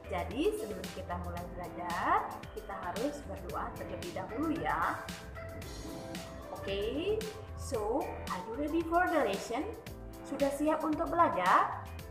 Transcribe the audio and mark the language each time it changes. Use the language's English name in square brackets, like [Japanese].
[Indonesian] Jadi sebelum kita mulai belajar, kita harus berdoa terlebih dahulu ya. [English] Okay, so are you ready for the lesson? [Indonesian] Sudah siap untuk belajar?